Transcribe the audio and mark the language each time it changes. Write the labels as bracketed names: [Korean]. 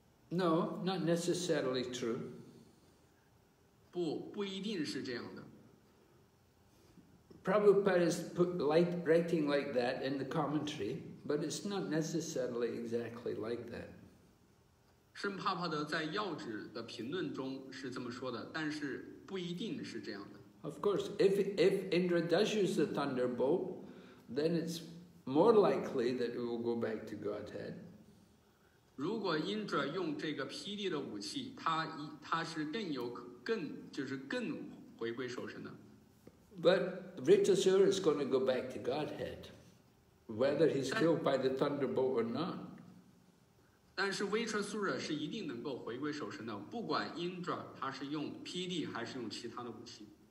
[English] No, not necessarily true. [Chinese] 不一定是这样的。 [English] Prabhupada is writing like that in the commentary, but it's not necessarily exactly like that. [Chinese] 圣帕帕德在要旨的评论中是这么说的，但是不一定是这样的。 [English] Of course, if Indra does use the thunderbolt, then it's more likely that it will go back to Godhead. [Chinese] 如果 Indra 用这个霹雳的武器，他是更有可更就是更回归守身的。 [English] But Vaitrasura is going to go back to Godhead, whether he's killed by the thunderbolt or not. [Chinese] 但是 Vaitrasura 是一定能够回归守身的，不管 Indra 他是用霹雳还是用其他的武器。